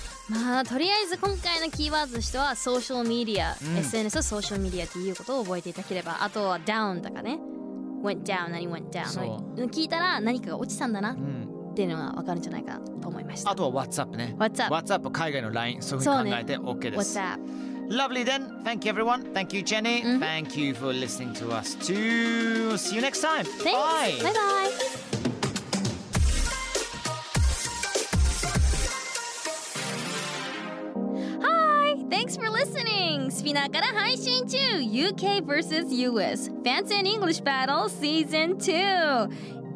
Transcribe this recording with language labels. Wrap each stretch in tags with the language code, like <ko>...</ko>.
<ja>まあ、とりあえず今回のキーワードとしてはソーシャルメディア、うん、SNS をソーシャルメディアということを覚えていただければ、あとはダウンとかね、</ja> <en>went down</en> <ja>何 went down、そう聞いたら何かが落ちたんだな、うん、っていうのが分かるんじゃないかと思いました。あとは WhatsApp ね、 WhatsApp、 WhatsApp 海外の LINE、 そういうふうに考えて OK です、ね、 WhatsApp</ja> <en>Lovely then, thank you everyone, thank you Jenny、うん、Thank you for listening to us too. See you next time. Thanks, bye bye, bye. Thanks for listening!</en> <ja>スピナーから配信中 UK vs.</ja> <en>US Fancy and English Battle Season 2!</en>